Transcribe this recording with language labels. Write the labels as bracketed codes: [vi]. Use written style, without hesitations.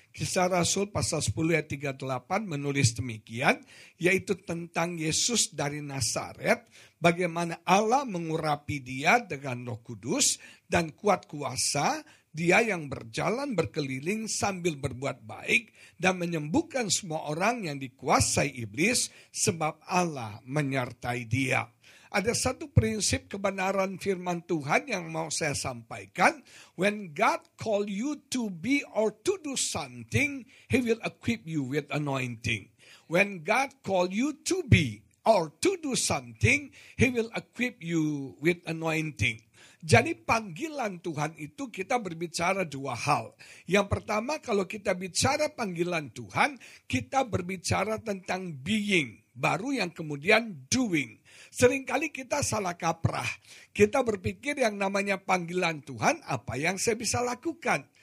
[id] Kisah Rasul pasal 10 ayat 38 menulis demikian, yaitu tentang Yesus dari Nazaret, bagaimana Allah mengurapi dia dengan Roh Kudus dan kuat kuasa, dia yang berjalan berkeliling sambil berbuat baik dan menyembuhkan semua orang yang dikuasai iblis sebab Allah menyertai dia. Ada satu prinsip kebenaran firman Tuhan yang mau saya sampaikan. [en] When God call you to be or to do something, He will equip you with anointing. When God call you to be or to do something, He will equip you with anointing. [id] Jadi panggilan Tuhan itu kita berbicara dua hal. Yang pertama, kalau kita bicara panggilan Tuhan, kita berbicara tentang being, baru yang kemudian doing. Seringkali kita salah kaprah. Kita berpikir yang namanya panggilan Tuhan, apa yang saya bisa lakukan?